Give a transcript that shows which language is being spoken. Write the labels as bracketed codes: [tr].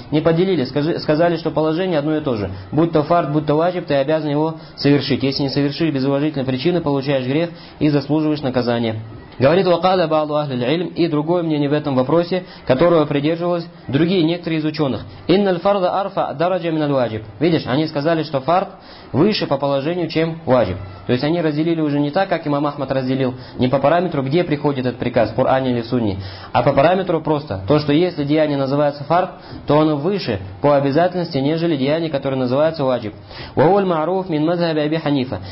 [ru] Не поделили, сказали, что положение одно и то же. Будь то фард, будь то ваджиб, ты обязан его совершить. Если не совершишь без уважительной причины, получаешь грех и заслуживаешь наказание. Говорит [ar] وقال بعض اهل العلم, [ru] и другое мнение в этом вопросе, которого придерживались другие некоторые из ученых. [ar] إن الفرض أرفع درجة من الواجب. [ru] Видишь, они сказали, что фард выше по положению, чем ваджиб. То есть они разделили уже не так, как имам Ахмад разделил, не по параметру, где приходит этот приказ, в Коране или в Сунне, а по параметру просто то, что если деяние называется фард, то оно выше по обязательности, нежели деяние, которое называется ваджиб. [ar] وهو المعروف من مذهب أبي حنيفة.